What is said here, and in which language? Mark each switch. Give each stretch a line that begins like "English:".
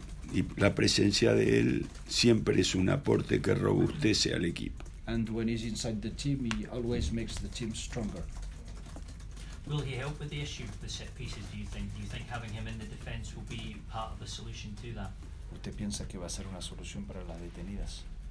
Spanish: Y la presencia de él siempre es un aporte que robustece al equipo.
English: And when he's inside the team, he always makes the team stronger. Will he help with the issue of the set pieces, do you think? Do you think having him in the defence will be part of the solution to that?
Spanish: ¿Usted piensa que va a ser una solución para las detenidas?